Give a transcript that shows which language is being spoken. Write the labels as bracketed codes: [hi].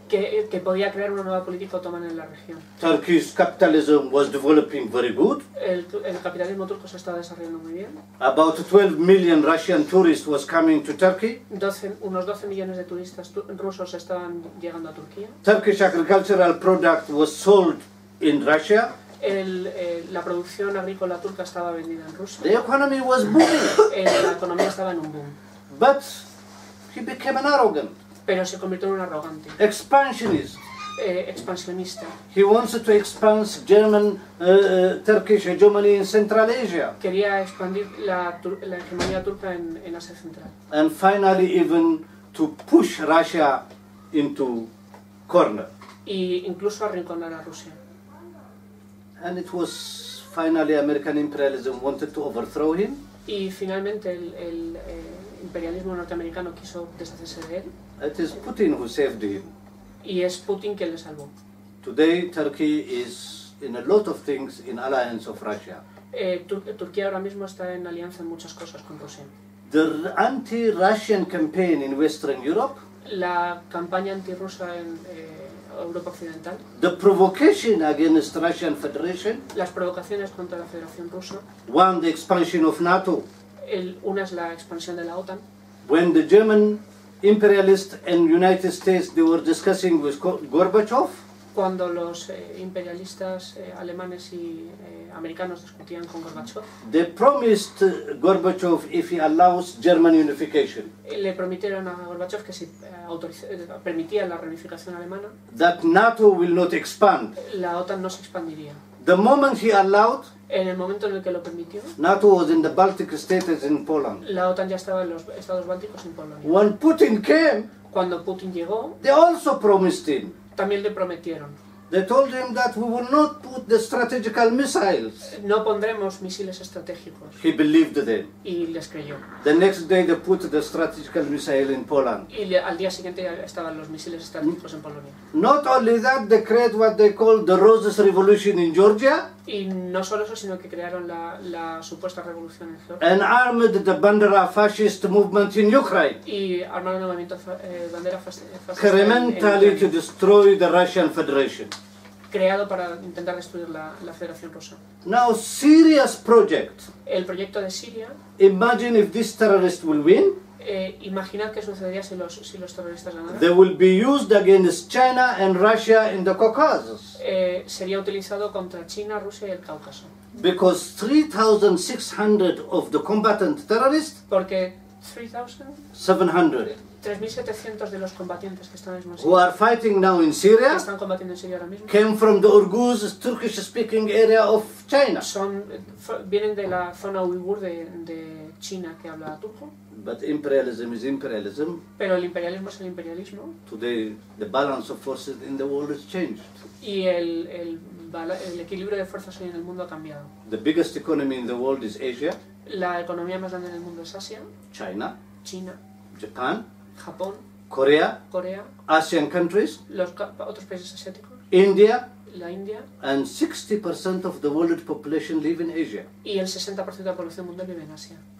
[es] Que podía crear una nueva política otomana en la región. [en] Turkey's capitalism was developing very good. [es] El capitalismo turco se estaba desarrollando muy bien. [en] About 12 million Russian tourists was coming to Turkey. [es] Unos 12 millones de turistas rusos estaban llegando a Turquía. [en] Turkish agricultural product was sold in Russia. [es] La producción agrícola turca estaba vendida en Rusia. [en] The economy was booming. [es] La economía estaba en un boom. [en] But he became an arrogant. [es] Pero se convirtió en un arrogante. [en] Expansionist. [es] Expansionista. [en] He wanted to expand German Turkish hegemony in Central Asia. [es] Quería expandir la hegemonía turca en Asia Central. [en] And finally even to push Russia into corner. [es] Y incluso arrinconar a Rusia. [en] And it was finally American imperialism wanted to overthrow him. [es] Y finalmente el imperialismo norteamericano quiso deshacerse de él. [en] It is Putin who saved him. [es] Y es Putin quien le salvó. [en] Today Turkey is in a lot of things in alliance of Russia. [es] Turquía ahora mismo está en alianza en muchas cosas con Rusia. [en] The anti-Russian campaign in Western Europe. [es] La campaña antirrusa en Europa Occidental. [en] The provocation against Russian Federation. [es] Las provocaciones contra la Federación Rusa. [en] One, the expansion of NATO. [es] Una es la expansión de la OTAN. [en] When the German imperialist and United States they were discussing with Gorbachev. [es] Cuando los imperialistas alemanes y americanos discutían con Gorbachev. [en] They promised Gorbachev if he allows German unification. [es] Le prometieron a Gorbachev que si permitía la reunificación alemana. [en] That NATO will not expand. [es] La OTAN no se expandiría. [en] The moment he allowed. [es] En el momento en el que lo permitió. [en] NATO was in the Baltic states in Poland. [es] La OTAN ya estaba en los estados bálticos en Polonia. [en] When Putin came. [es] Cuando Putin llegó. [en] They also promised him. [es] También le prometieron. [en] They told him that we will not put the strategical missiles. [es] No pondremos misiles estratégicos. [en] He believed them. [es] Y les creyó. [en] The next day they put the strategical missile in Poland. [es] Y al día siguiente ya estaban los misiles estratégicos en Polonia. [en] Not only that, they created what they call the Roses Revolution in Georgia. [es] Y no solo eso, sino que crearon la supuesta revolución en Georgia. [en] And armed the Bandera fascist movement in Ukraine. [es] Y armaron el movimiento Bandera fascista. [en] Incrementally to destroy the Russian Federation. [es] Creado para intentar destruir la Federación Rusa. [en] Now serious project. [es] El proyecto de Siria. [en] Imagine if this terrorist will win. [es] Imaginad qué sucedería si los terroristas ganaran. [en] They will be used against China and Russia in the Caucasus. [es] Sería utilizado contra China, Rusia y el Cáucaso. [en] Because 3,600 of the combatant terrorists. [es] Porque 3,700 de los combatientes que están en Siria. [en] Who are fighting now in Syria? [es] Están combatiendo en Siria ahora mismo. [en] Came from the Oghuz, Turkish-speaking area of China. [es] Vienen de la zona Uigur de China que habla turco. [en] But imperialism is imperialism. [es] Pero el imperialismo es el imperialismo. [en] Today, the balance of forces in the world has changed. [es] Y el equilibrio de fuerzas hoy en el mundo ha cambiado. [en] The biggest economy in the world is Asia. [es] La economía más grande en el mundo es Asia. [en] China. [es] Japón. Japón. Corea. [en] Asian countries. [es] Los otros países asiáticos. [en] India. [es] La India. [en] And 60% of the world population live in Asia. [es] Y el 60% de la población mundial vive en Asia.